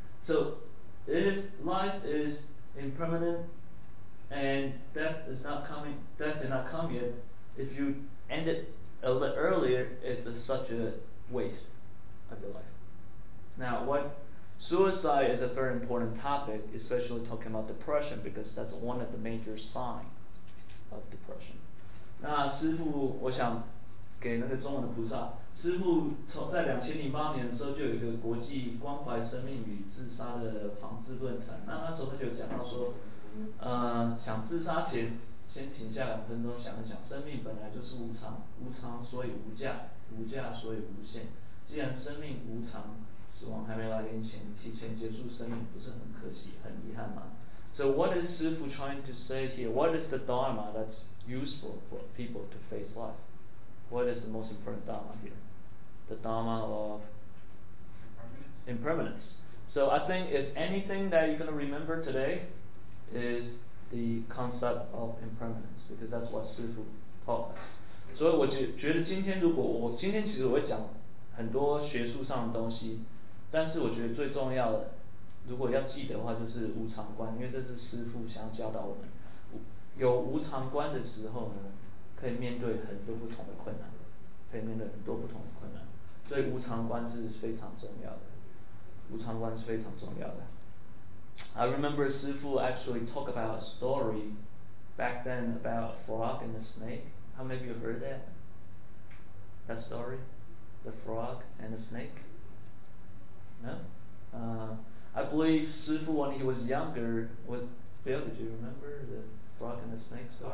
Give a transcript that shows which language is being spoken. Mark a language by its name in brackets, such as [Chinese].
[English] So if life is impermanent and death is not coming, death did not come yet, if you end it a little earlier, it's such a waste of your life. Now, what suicide is a very important topic, especially talking about depression, because that's one of the major signs of depression. [Chinese] 那师父，我想给那个中文的菩萨，师父从在2008年的时候就有一个国际关怀生命与自杀的防治论坛。那那时候他就讲到说，想自杀前先停下两分钟想一想，生命本来就是无常，无常所以无价，无价所以无限。既然生命无常，死亡还没来临前提前结束生命，不是很可惜、很遗憾吗？ [English] So what is 师父 trying to say here? What is the dharma that's useful for people to face life? What is the most important dharma here? The dharma of impermanence. So I think if anything that you're going to remember today is the concept of impermanence, because that's what 师父 taught us. [Chinese] 所以我觉得今天如果我今天其实我会讲很多学术上的东西，但是我觉得最重要的如果要记得的话就是无常观，因为这是师父想要教导我们，有无常观的时候呢，可以面对很多不同的困难，可以面对很多不同的困难，所以无常观是非常重要的，无常观是非常重要的。 [English] I remember 师父 actually talk about a story back then about a frog and a snake. How many of you heard that? That story? The frog and the snake? No? I believe 师父 when he was younger, was, Bill, did you remember the frog and the snake story?